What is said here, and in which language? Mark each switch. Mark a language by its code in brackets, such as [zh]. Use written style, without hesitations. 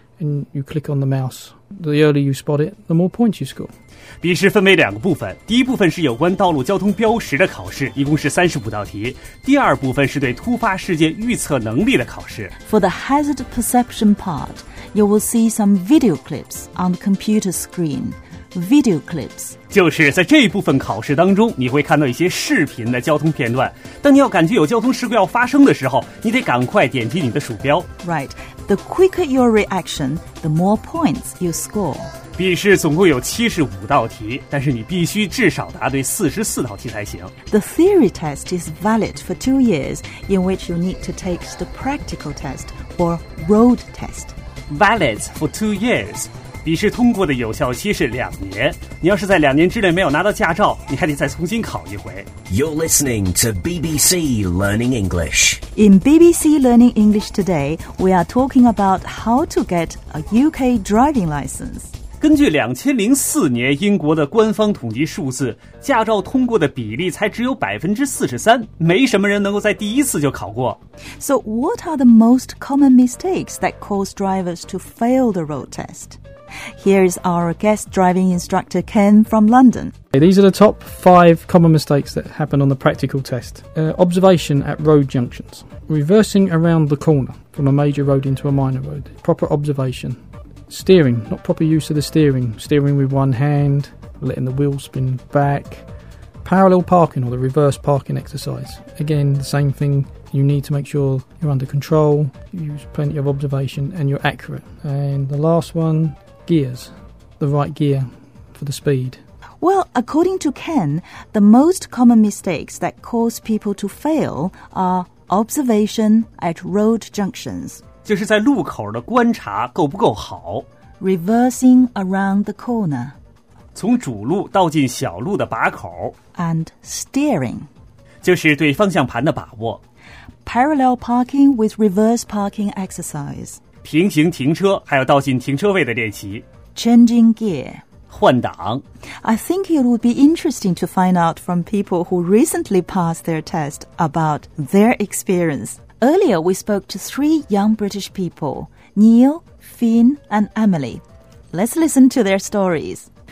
[en] And you click on the mouse. The earlier you spot it, the more points you score. [zh] 笔试分为两个部分，第一部分是有关道路交通标识的考试，一共是35道题。第二部分是对突发事件预测能力的考试。 [en] For the hazard perception part, you will see some video clips on the computer screen. Video clips. [zh] 就是在这部分考试当中，你会看到一些视频的交通片段。当你要感觉有交通事故要发生的时候，你得赶快点击你的鼠标。 [en] Right. The quicker your reaction, the more points you score. [zh] 笔试总共有75道题，但是你必须至少答对44道题才行。 [en] The theory test is valid for 2 years, in which you need to take the practical test or road test. Valid for 2 years. [zh] 笔试通过的有效期是2年。你要是在2年之内没有拿到驾照，你还得再重新考一回。 [en] You're listening to BBC Learning English. In BBC Learning English today, we are talking about how to get a UK driving license. [zh] 根据2004年英国的官方统计数字，驾照通过的比例才只有 43%, 没什么人能够在第一次就考过。 [en] So what are the most common mistakes that cause drivers to fail the road test? Here is our guest driving instructor Ken from London. These are the top 5 common mistakes that happen on the practical test. Observation at road junctions. Reversing around the corner from a major road into a minor road. Proper observation. Steering, not proper use of the steering. Steering with one hand, letting the wheel spin back. Parallel parking or the reverse parking exercise. Again, the same thing. You need to make sure you're under control, use plenty of observation, and you're accurate. And the last one, gears, the right gear for the speed. Well, according to Ken, the most common mistakes that cause people to fail are observation at road junctions. [zh] 就是在路口的观察够不够好。 [en] Reversing around the corner. [zh] 从主路倒进小路的把口。 [en] And steering. [zh] 就是对方向盘的把握。 [en] Parallel parking with reverse parking exercise. [zh] 平行停车还有倒进停车位的练习。 [en] Changing gear. [zh] 换挡。 [en] I think it would be interesting to find out from people who recently passed their test about their experience. Earlier, we spoke to 3 young British people, Neil, Finn, and Emily. Let's listen to their stories.